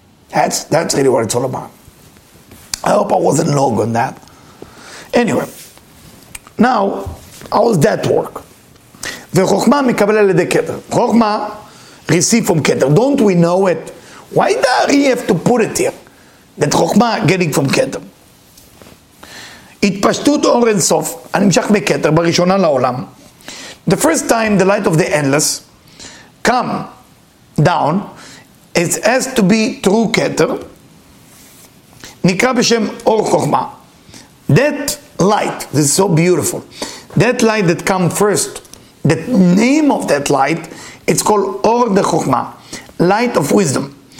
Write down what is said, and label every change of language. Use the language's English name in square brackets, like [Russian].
[English] That's really what it's all about. I hope I wasn't long on that. Anyway, now, how does that work? [Hebrew] וחוכמה מקבל על ידי קטר. חוכמה, receive from קטר. Don't we know it? [English] Why do we have to put it here? That חוכמה getting from קטר. [Hebrew] התפשטות אור אין סוף, הנמשך מקטר, בראשונה לעולם. [English] The first time the light of the endless come down, it has to be through קטר, נקרא בשם אור חוכמה. That light, this is so beautiful, that light that come first, the name of that light, it's called Or de Chokhmah, light of wisdom.